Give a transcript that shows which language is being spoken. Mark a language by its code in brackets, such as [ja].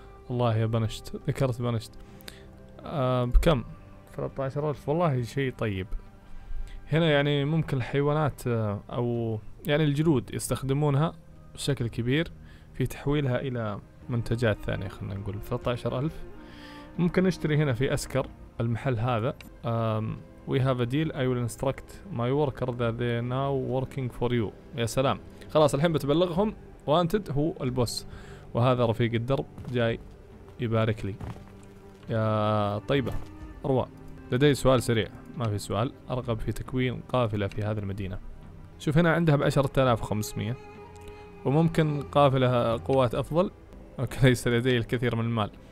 [ar] الله يا بنشت، ذكرت بنشت. بكم؟ 13000، والله شيء طيب. هنا يعني ممكن الحيوانات او يعني الجلود يستخدمونها بشكل كبير في تحويلها الى منتجات ثانية. خلنا نقول 13000 ممكن نشتري هنا في اسكر المحل هذا. [en] We have a deal. I will instruct my worker that they are now working for you. [ar] يا سلام، خلاص الحين بتبلغهم. Wanted هو البوس، وهذا رفيق الدرب جاي يبارك لي. يا طيبة أروى، لدي سؤال سريع. ما في سؤال، أرغب في تكوين قافلة في هذه المدينة. شوف هنا عندها ب10500 وممكن قافلة قوات أفضل، لكن ليس لدي الكثير من المال.